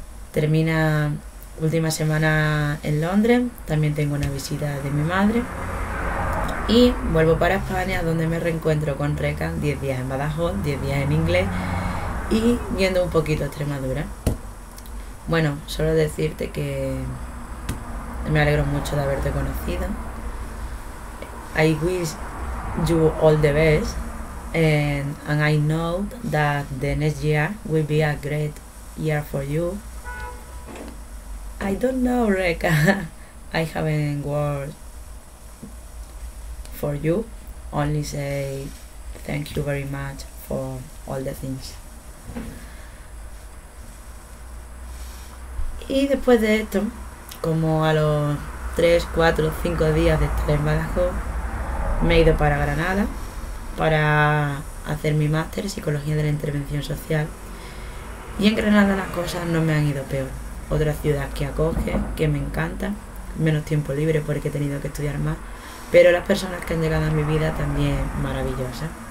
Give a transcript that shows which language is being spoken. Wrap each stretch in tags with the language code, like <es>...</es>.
<es>Termina última semana en Londres, también tengo una visita de mi madre y vuelvo para España, donde me reencuentro con Reca, 10 días en Badajoz, 10 días en inglés y viendo un poquito Extremadura. Bueno, solo decirte que me alegro mucho de haberte conocido.</es> <en>I wish you all the best. And I know that the next year will be a great year for you. I don't know, Reka. I haven't words for you. Only say thank you very much for all the things.</en> <es>Y después de esto, como a los 3, 4, 5 días de estar en Badajoz, me he ido para Granada para hacer mi máster en psicología de la intervención social. Y en Granada las cosas no me han ido peor. Otra ciudad que acoge, que me encanta, menos tiempo libre porque he tenido que estudiar más, pero las personas que han llegado a mi vida también maravillosas.</es>